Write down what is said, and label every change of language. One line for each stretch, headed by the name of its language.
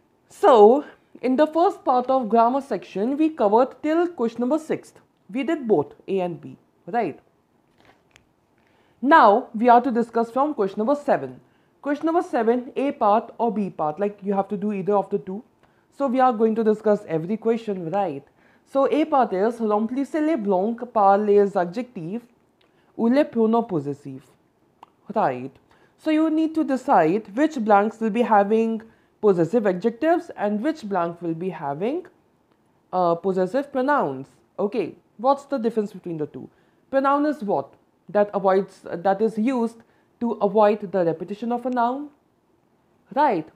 English: So, in the first part of grammar section, we covered till question number 6. We did both A and B, right? Now, we are to discuss from question number 7. Question number 7, A part or B part, like you have to do either of the two. So, we are going to discuss every question, right?
French: So, A part is, remplissez les blancs par les adjectifs ou les pronoms possessifs.
English: Right. So, you need to decide which blanks will be having possessive adjectives and which blank will be having possessive pronouns. Okay. What's the difference between the two? Pronoun is what? That is used to avoid the repetition of a noun. Right.